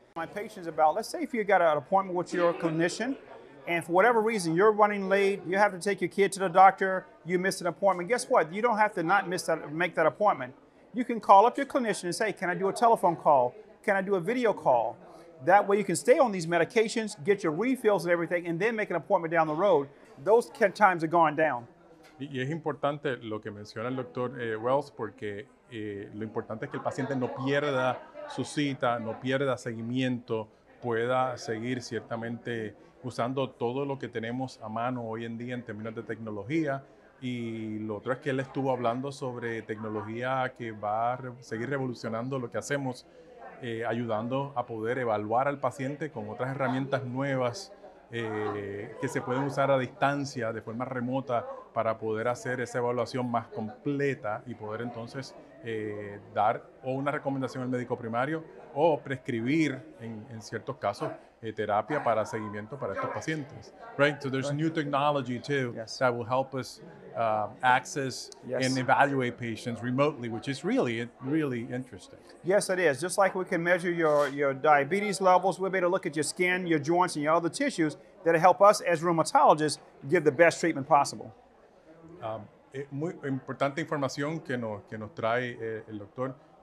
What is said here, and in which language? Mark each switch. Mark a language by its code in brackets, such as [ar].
[en] My patient's about, let's say if you got an appointment with your clinician, and for whatever reason, you're running late, you have to take your kid to the doctor, you miss an appointment. Guess what? You don't have to not miss that, make that appointment. You can call up your clinician and say, can I do a telephone call? Can I do a video call? That way you can stay on these medications, get your refills and everything, and then make an appointment down the road. Those times are going down. [es] Y es importante lo que menciona el doctor Wells, porque lo importante es que el paciente no pierda su cita, no pierda seguimiento, pueda seguir ciertamente usando todo lo que tenemos a mano hoy en día en términos de tecnología. Y lo otro es que él estuvo hablando sobre tecnología que va a seguir revolucionando lo que hacemos, ayudando a poder evaluar al paciente con otras herramientas nuevas que se pueden usar a distancia, de forma remota, para poder hacer esa evaluación más completa y poder entonces dar o una recomendación al médico primario o prescribir, en ciertos casos, terapia para seguimiento para estos pacientes. [en] Right? So there's new technology too yes. that will help us access yes. and evaluate patients remotely, which is really, really interesting. Yes, it is. Just like we can measure your diabetes levels, we'll be able to look at your skin, your joints, and your other tissues that help us as rheumatologists give the best treatment possible. [es] Muy importante información que nos trae el doctor.